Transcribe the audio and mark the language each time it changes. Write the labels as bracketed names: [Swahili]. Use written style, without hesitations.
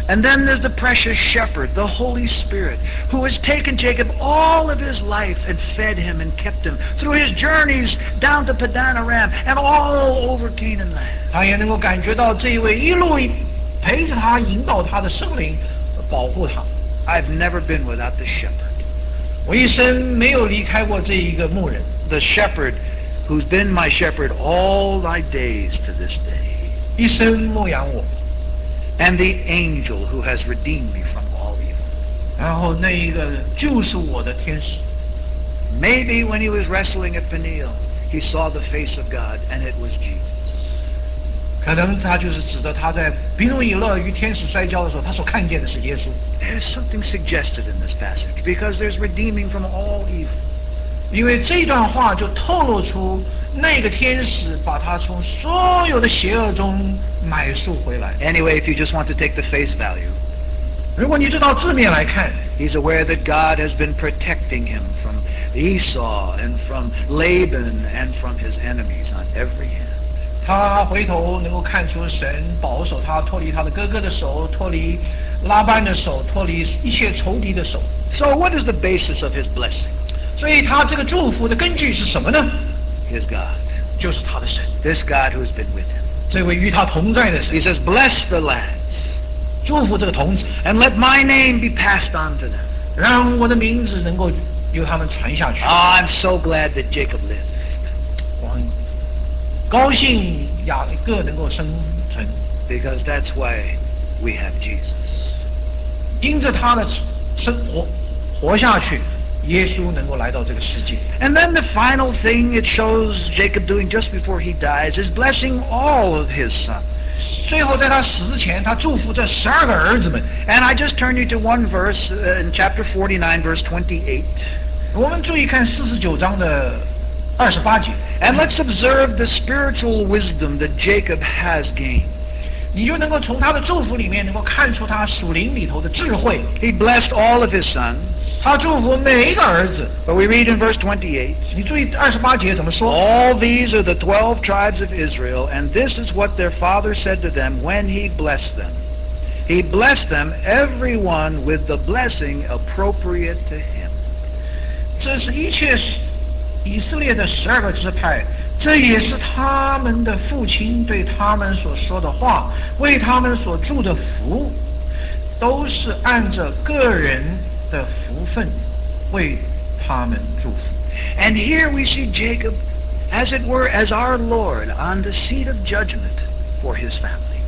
[English] And then there's the precious shepherd, the Holy Spirit, who has taken Jacob all of his life and fed him and kept him through his journeys down to Paddan Aram and all over Canaan land. [Chinese] 他也能够感觉到这一位一路陪着他引导他的圣灵保护他。 [English] I've never been without the shepherd. [Chinese] 我一生没有离开过这一个牧人。 [English] The shepherd who's been my shepherd all my days to this day. [Chinese] 一生牧养我。 [English] And the angel who has redeemed me from all evil. [Chinese] 然后那一个救赎我的天使。 [English] Maybe when he was wrestling at Peniel, he saw the face of God and it was Jesus. [Chinese] 可能他就是指的他在比努以勒与天使摔跤的时候，他所看见的是耶稣。 [English] There's something suggested in this passage because there's redeeming from all evil. [Chinese] 因为这段话就透露出那个天使把他从所有的邪恶中买赎回来。 [English] Anyway, if you just want to take the face value, [Chinese] 如果你知道字面来看， [English] he's aware that God has been protecting him from Esau and from Laban and from his enemies on every hand. [Chinese] 他回头能够看出神保守他脱离他的哥哥的手，脱离拉班的手，脱离一切仇敌的手。 [English] So what is the basis of his blessing? [Chinese] 所以他这个祝福的根据是什么呢？ [English] His God. [Chinese] 就是他的神。 [English] This God who has been with him. [Chinese] 这位与他同在的神。 [English] He says, bless the lads. [Chinese] 祝福这个童子。 [English] And let my name be passed on to them. [Chinese] 让我的名字能够由他们传下去。 [English] Oh, I'm so glad that Jacob lived. [Chinese] 高兴雅各能够生存。 [English] Because that's why we have Jesus. [Chinese] 因着他的生活活下去，耶稣能够来到这个世界。 [English] And then the final thing it shows Jacob doing just before he dies is blessing all of his sons. [Chinese] 最后在他死之前，他祝福这十二个儿子们。 [English] And I just turn you to one verse in chapter 49, verse 28. [Chinese] 我们注意看四十九章的二十八节。 [English] And let's observe the spiritual wisdom that Jacob has gained. [Chinese] 你就能够从他的祝福里面能够看出他属灵里头的智慧。 [English] He blessed all of his sons. [Chinese] 他祝福每一个儿子。 [English] But we read in verse 28. [Chinese] 你注意二十八节怎么说？ [English] All these are the 12 tribes of Israel, and this is what their father said to them when he blessed them. He blessed them, everyone, with the blessing appropriate to him. [Chinese] 这是一切以色列的十二个支派，这也是他们的父亲对他们所说的话，为他们所祝的福，都是按着个人的福分为他们祝福。 [English] And here we see Jacob, as it were, as our Lord, on the seat of judgment for his family.